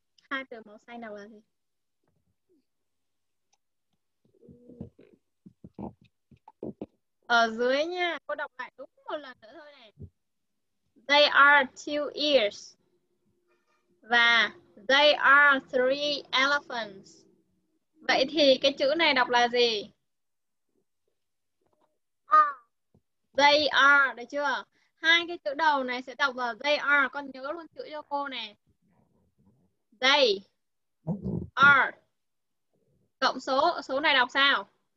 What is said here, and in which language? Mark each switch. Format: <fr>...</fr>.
<vi>hai từ màu xanh nào là gì? Ở dưới nha, cô đọc lại đúng một lần nữa thôi này.</vi> <en>They are two ears. Và they are three elephants.</en> <vi>Vậy thì cái chữ này đọc là gì?</vi> <en>They are,</en> <vi>được chưa? Hai cái chữ đầu này sẽ đọc là</vi> <en>they are.</en> <vi>Con nhớ luôn chữ cho cô nè.</vi> <en>They are.</en> <vi>Cộng số, số này đọc sao?</vi>